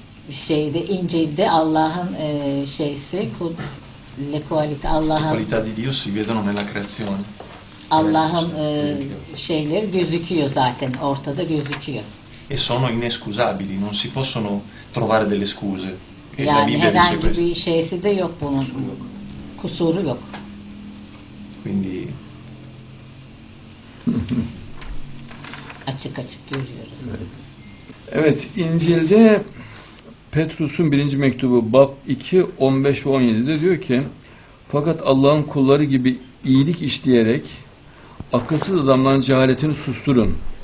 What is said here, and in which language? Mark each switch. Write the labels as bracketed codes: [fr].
[tr] Şeyde, İncil'de Allah'ın şeysi [it] le qualità [tr] Allah'ın [it] le qualità di Dio si vedono nella creazione. [tr] Allah'ın şeyleri gözüküyor zaten, ortada gözüküyor. [it] E sono inescusabili, non si possono trovare delle scuse. E yani la Bibbia dice questo. [tr] Yani herhangi bir şeysi de yok bunun. Kusuru yok. [it] Quindi [tr] açık açık görüyoruz. Evet, İncil'de Petrus'un birinci mektubu bab 2, 15 ve 17'de diyor ki, fakat Allah'ın kulları gibi iyilik işleyerek akılsız adamların cehaletini susturun.